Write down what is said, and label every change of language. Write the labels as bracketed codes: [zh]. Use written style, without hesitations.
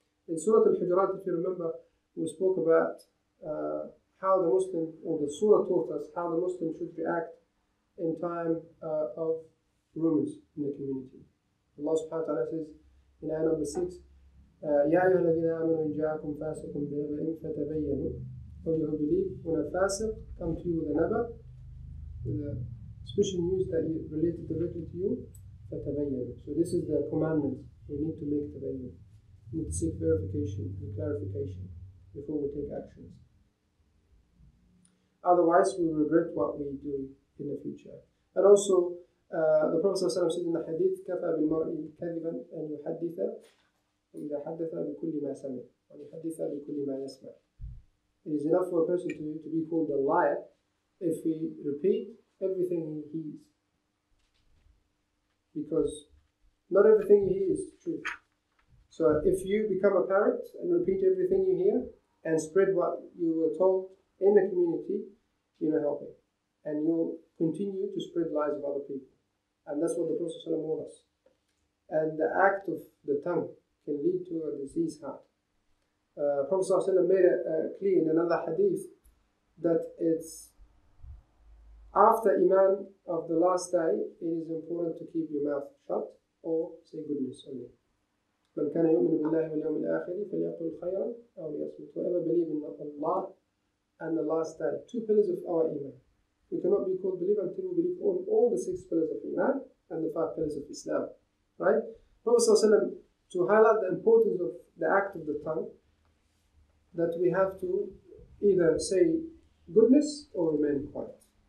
[en] In Surah Al-Hujurat, if you remember, we spoke about how the Muslim, or the Surah taught us how the Muslim should react in time of rumors in the community. Allah subhanahu wa ta'ala says in ayah number 6, [ar] يَا أَيُّهَا الَّذِينَ آمَنُوا إِنْ جَاءَكُمْ فَاسِقٌ بِنَبَإٍ فَتَبَيَّنُوا. [en] All you who believe, when a fasiq come to you with a nabah, with a special news that you related directly to you, فَتَبَيَّنُوا. So this is the commandment. We need to make tabayyun. We need to seek verification and clarification before we take actions. Otherwise, we regret what we do in the future. And also, the Prophet ﷺ said in the hadith, [ar] كَفَى بِالْمَرْءِ كَذِبًا أَنْ يُحَدِّثَ إِذَا حَدَّثَ بِكُلِّ مَا سَمِعَ وَيُحَدِّثَ بِكُلِّ مَا يَسْمَعَ. [en] It is enough for a person to be called a liar if he repeats everything he hears. Because not everything you hear is true. So if you become a parrot and repeat everything you hear and spread what you were told in the community, you're not helping. And you'll continue to spread lies of other people. And that's what the Prophet ﷺ warned us. And the act of the tongue can lead to a diseased heart. Prophet ﷺ made it clear in another hadith that it's after Iman of the last day, it is important to keep your mouth shut or say goodness only. [ar] من كان يؤمن بالله واليوم الآخر فليقل خيرا أو ليصمت. [en] Whoever believes in Allah and the last day, two pillars of our Iman. We cannot be called believer until we believe on all the six pillars of Iman and the five pillars of Islam. Right? Prophet ﷺ, to highlight the importance of the act of the tongue, that we have to either say goodness or remain quiet.